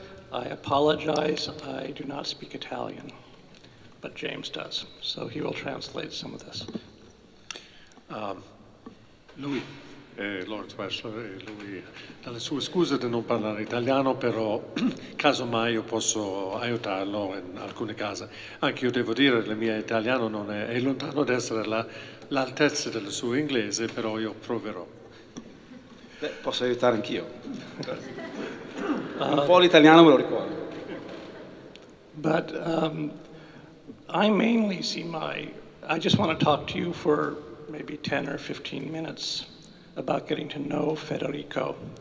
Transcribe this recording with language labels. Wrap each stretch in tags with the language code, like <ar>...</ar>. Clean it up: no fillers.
<en>I apologize, I do not speak Italian. But James does, so he will translate some of this.</en> <it>Lui, Lawrence Wessler, e lui dalle sue scuse di non parlare italiano, però casomai io posso aiutarlo in alcune case. Anche io devo dire che il mio italiano non è lontano da essere all'altezza del suo inglese, però io proverò. Beh, posso aiutare anch'io. Un po' l'italiano me lo ricordo.</it> <en>But I mainly see my... I just want to talk to you for maybe 10 or 15 minutes about getting to know Federico.</en>